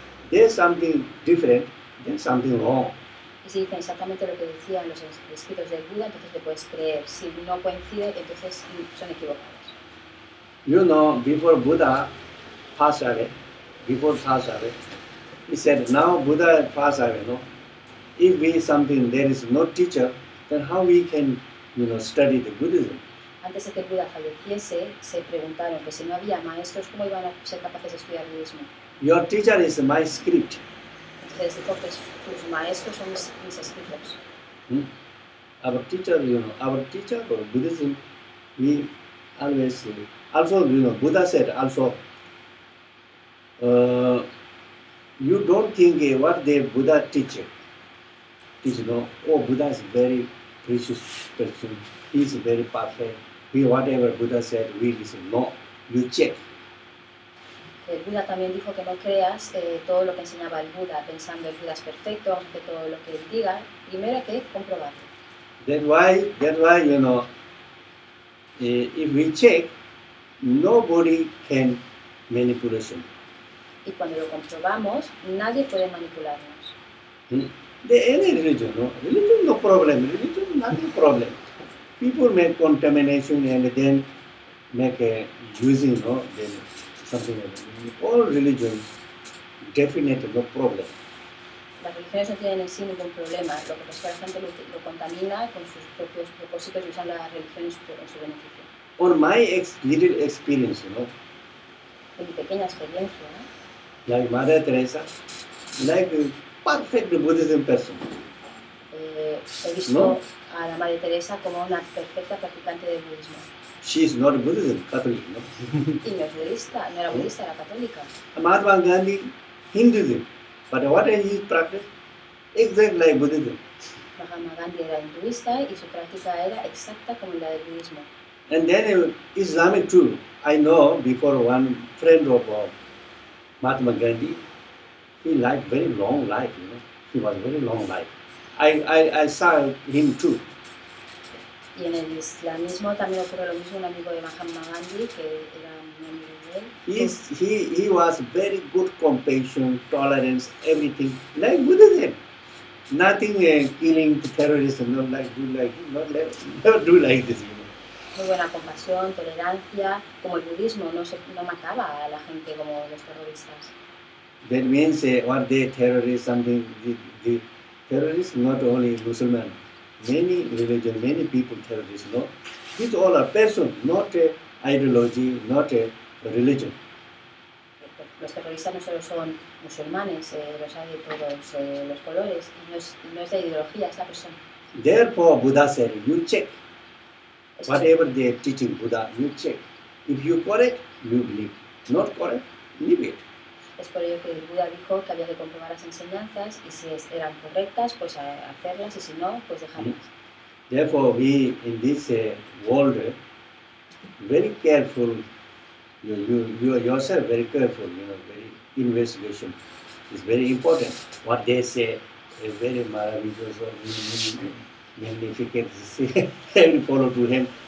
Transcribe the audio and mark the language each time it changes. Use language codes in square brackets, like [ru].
[en] There's something different, then something wrong. [es] Y si dicen exactamente lo que decían los escritos del Buda, entonces te puedes creer. Si no coincide, entonces son equivocados. [en] You know, before Buddha passed away, he said, now Buddha passed away, no? If we something, there is no teacher, then how we can, you know, study the Buddhism? [es] Antes de que Buda falleciese, se preguntaron que si no había maestros, ¿cómo iban a ser capaces de estudiar el budismo? [en] Your teacher is my script. [es] Entonces dijo que tus maestros son mis escritos. [en] Our teacher, you know, our teacher for Buddhism, we always, also, you know, Buddha said also, You don't think what the Buddha teach is no. Oh, Buddha is very precious person. He's very perfect. We whatever Buddha said, we listen. No, you check. [es] El Buda también dijo que no creas todo lo que enseñaba el Buda, pensando que el Buda es perfecto, aunque todo lo que él diga, primero hay que comprobarlo. [en] That's why, you know, if we check, nobody can manipulate him. [es] Y cuando lo comprobamos, nadie puede manipularnos. [en] De any religion, no? Religion no problem, religion nothing problem. People make contamination and then make using, no? Then, something like that. All religions definitely no problem. [es] Las religiones no tienen en sí ningún problema. Lo que pasa es que la gente lo contamina con sus propios propósitos y usan las religiones en su beneficio. [en] On my little experience, you know. [es] En mi pequeña experiencia, ¿no? [en] Like Madre Teresa, like a perfect Buddhism person. [es] He visto no? A la Madre Teresa como una perfecta practicante de budismo. [en] She is not a Buddhist, Catholic, no? [es] Y no es budista, no era budista, era católica. [en] Mahatma Gandhi, Hinduism, but what is his practice? Exactly like Buddhism. [es] Mahatma Gandhi era hinduista y su práctica era exacta como la del budismo. [en] And then Islamic too. I know before one friend of Mahatma Gandhi, he lived very long life, you know. He was very long life. I saw him too. [es] Y en el islamismo también ocurre lo mismo, un amigo de Mahatma Gandhi, que era un amigo de él. [en] He was very good compassion, tolerance, everything, like Buddhism. Nothing killing terrorism, not like, do like, not like, never do like this. [es] Muy buena compasión, tolerancia, como el budismo, no mataba a la gente como los terroristas. [en] That means, what they terrorists, something, the terrorists, not only Muslims. Many religion, many people terrorists, no? These all are person, not a ideology, not a religion. [es] Los terroristas no solo son musulmanes, los hay de todos los colores, no es de ideología, es la persona. [en] Therefore, Buddha said, you check. Whatever they are teaching Buddha, you check. If you correct, you believe. Not correct, leave it. [es] Es por ello que el Buda dijo que había que comprobar las enseñanzas y si eran correctas, pues hacerlas y si no, pues dejarlas. [en] Therefore, we in this world very careful, you yourself very careful, you know, very investigation is very important. What they say is very marvelous or magnificent, and follow to him.